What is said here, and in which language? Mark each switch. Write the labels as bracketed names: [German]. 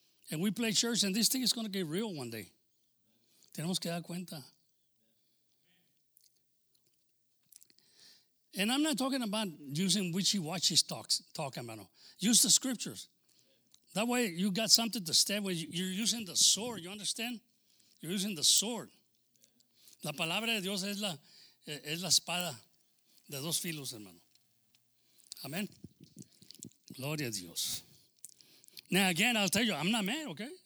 [English] And we play church, and this thing is going to get real one day. [Spanish] Tenemos que dar cuenta. [English] And I'm not talking about using wishy-washy talk, hermano. Use the scriptures. That way you got something to stand with. You're using the sword, you understand? You're using the sword. [Spanish] La palabra de Dios es la espada de dos filos, hermano. Amen. Gloria a Dios. [English] Now again, I'll tell you, I'm not mad, okay?